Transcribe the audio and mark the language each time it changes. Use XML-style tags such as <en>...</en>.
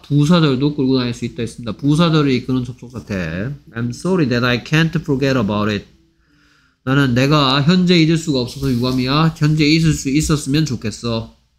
<ko>부사절도 끌고 다닐 수 있다 했습니다. 부사절을 이끄는 접속사태.</ko> <en>I'm sorry that I can't forget about it.</en> <ko>나는 내가 현재 잊을 수가 없어서 유감이야. 현재 있을 수 있었으면 좋겠어.</ko>